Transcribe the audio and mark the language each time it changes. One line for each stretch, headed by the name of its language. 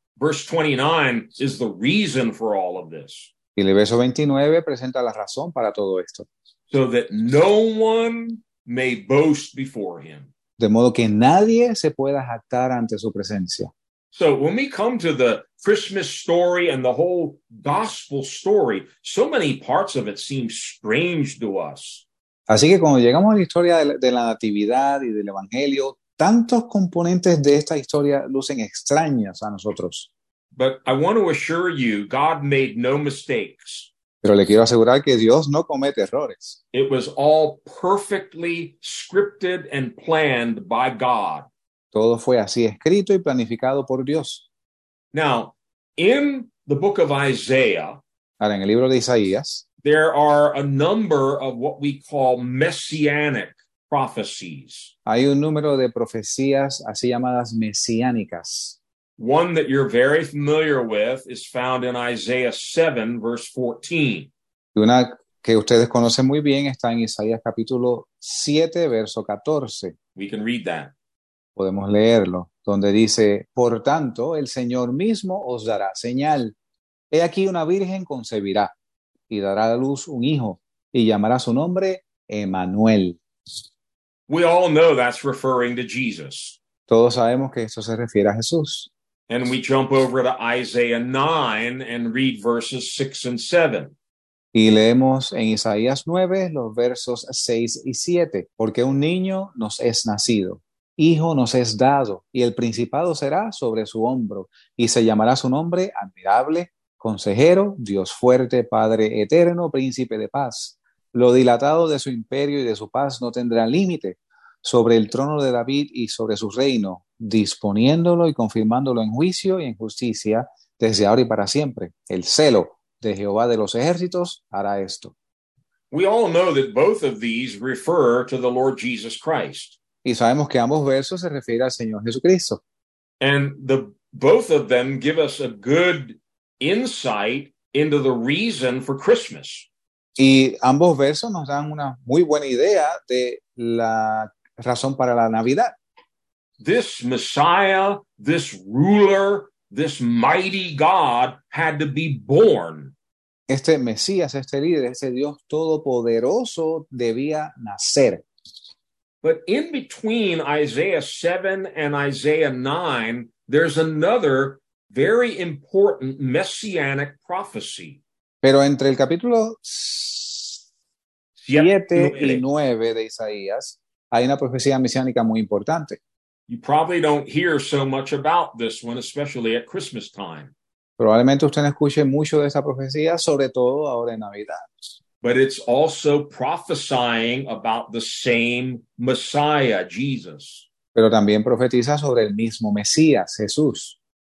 English: Verse 29 is the reason for all of this.
Spanish: Y el verso 29 presenta la razón para todo esto.
English: So that no one may boast before him.
Spanish: De modo que nadie se pueda jactar ante su presencia.
English: So when we come to the Christmas story and the whole gospel story, so many parts of it seem strange to us.
Spanish: Así que cuando llegamos a la historia de la natividad y del evangelio, tantos componentes de esta historia lucen extrañas a nosotros.
English: But I want to assure you, God made no mistakes.
Spanish: Pero le quiero asegurar que Dios no comete errores.
English: It was all perfectly scripted and planned by God.
Spanish: Todo fue así escrito y planificado por Dios.
English: Now, in the book of Isaiah,
Spanish: ahora en el libro de Isaías,
English: there are a number of what we call messianic prophecies.
Spanish: Hay un número de profecías así llamadas mesiánicas.
English: One that you're very familiar with is found in Isaiah 7, verse 14.
Spanish: Una que ustedes conocen muy bien está en Isaías capítulo 7, verso 14.
English: We can read that.
Spanish: Podemos leerlo, donde dice, por tanto, el Señor mismo os dará señal. He aquí una virgen concebirá. Y dará a luz un hijo, y llamará su nombre Emmanuel.
English: We all know that's referring to Jesus.
Spanish: Todos sabemos que esto se refiere a Jesús.
English: And we jump over to Isaiah 9 and read verses 6 and 7.
Spanish: Y leemos en Isaías 9 los versos 6 y 7. Porque un niño nos es nacido, hijo nos es dado, y el principado será sobre su hombro, y se llamará su nombre Admirable, Consejero, Dios fuerte, Padre eterno, Príncipe de paz. Lo dilatado de su imperio y de su paz no tendrá límite sobre el trono de David y sobre su reino, disponiéndolo y confirmándolo en juicio y en justicia desde ahora y para siempre. El celo de Jehová de los ejércitos hará esto.
English: We all know that both of these refer to the Lord Jesus Christ.
Spanish: Y sabemos que ambos versos se refieren al Señor Jesucristo.
English: And the both of them give us a good insight into the reason for Christmas.
Spanish: Y ambos versos nos dan una muy buena idea de la razón para la Navidad.
English: This Messiah, this ruler, this mighty God had to be born.
Spanish: Este Mesías, este líder, ese Dios todopoderoso debía nacer.
English: But in between Isaiah 7 and Isaiah 9, there's another very important messianic prophecy.
Spanish: Pero entre el capítulo 7 y 9 de Isaías, hay una profecía mesiánica muy importante.
English: You probably don't hear so much about this one, especially at Christmas time.
Spanish: Probablemente usted no escuche mucho de esa profecía, sobre todo ahora en Navidad.
English: But it's also prophesying about the same Messiah, Jesus.
Spanish: Pero también profetiza sobre el mismo Mesías, Jesús.